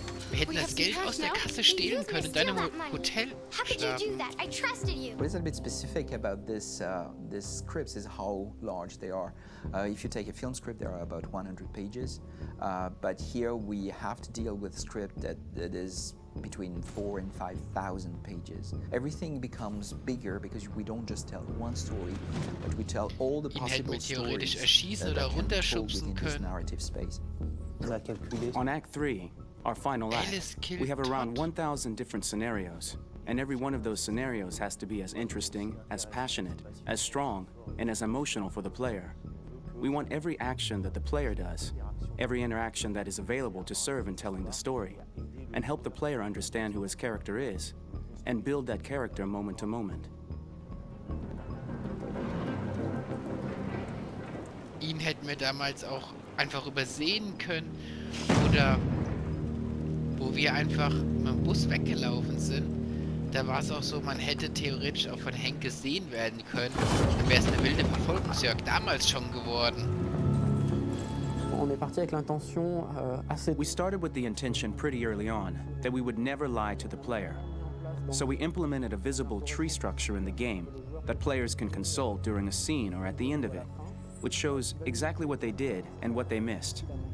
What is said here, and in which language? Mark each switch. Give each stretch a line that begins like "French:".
German: Wir hätten das Geld aus der Kasse stehlen können, deinem Hotel starten.
English: What is a bit specific about this this scripts is how large they are. If you take a film script, there are about 100 pages. But here we have to deal with script that is between 4,000 and 5,000 pages. Everything becomes bigger because we don't just tell one story, but we tell all the possible stories that are told within this narrative space. On Act 3, our final act, we have around 1,000 different scenarios, and every one of those scenarios has to be as interesting, as passionate, as strong, and as emotional for the player. We want every action that the player does, every interaction that is available to serve in telling the story, and help the player understand who his character is, and build that character moment to moment.
German: Ihn hätten wir damals auch einfach übersehen können, oder wo wir einfach mit dem Bus weggelaufen sind, da war es auch so, man hätte theoretisch auch von Hank gesehen werden können, dann wäre es eine wilde Verfolgungsjagd damals schon geworden.
French: On est parti avec l'intention assez...
English: We started with the intention pretty early on that we would never lie to the player. So we implemented a visible tree structure in the game that players can consult during a scene or at the end of it, which shows exactly what they did and what they missed.